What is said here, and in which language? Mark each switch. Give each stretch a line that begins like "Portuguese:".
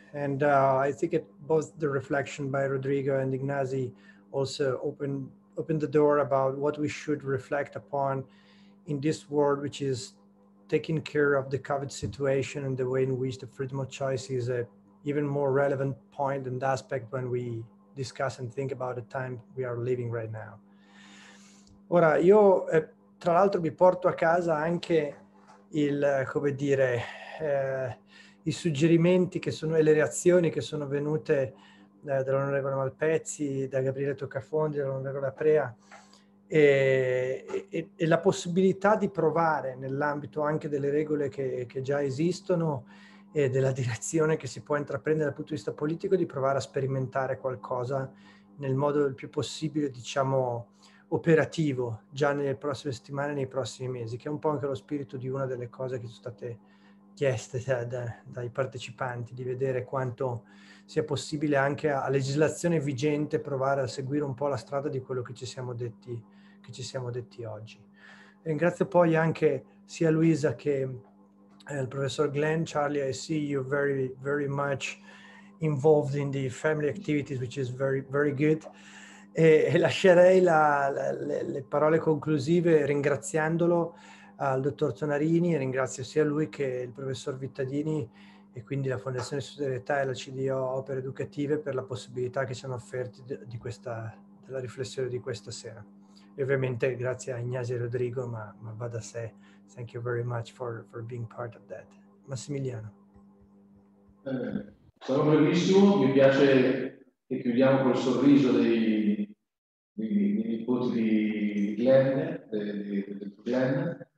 English: And I think it both the reflection by Rodrigo and Ignasi also opened the door about what we should reflect upon in this world, which is taking care of the COVID situation and the way in which the freedom of choice is a even more relevant point and aspect when we discuss and think about the time we are living right now.
Italian: Ora, io tra l'altro mi porto a casa anche il, come dire, i suggerimenti che sono e le reazioni che sono venute dall'onorevole Malpezzi, da Gabriele Toccafondi, dall'onorevole Aprea e la possibilità di provare nell'ambito anche delle regole che già esistono e della direzione che si può intraprendere dal punto di vista politico di provare a sperimentare qualcosa nel modo il più possibile, diciamo, operativo già nelle prossime settimane, nei prossimi mesi, che è un po' anche lo spirito di una delle cose che sono state chieste dai partecipanti, di vedere quanto sia possibile anche a legislazione vigente provare a seguire un po' la strada di quello che ci siamo detti oggi. Ringrazio poi anche sia Luisa che il professor Glenn.
English: Charlie, I see you very, very much involved in the family activities, which is very, very good.
Italian: E lascerei le parole conclusive ringraziandolo al dottor Tonarini, ringrazio sia lui che il professor Vittadini e quindi la Fondazione Solidarietà e la CDO Opere Educative per la possibilità che ci hanno offerti della riflessione di questa sera. E ovviamente grazie a Ignasi e Rodrigo, ma va da sé.
English: Thank you very much for being part of that.
Italian: Massimiliano. Sarò brevissimo, mi piace che chiudiamo col sorriso dei nipoti di Glenn, del Glenn.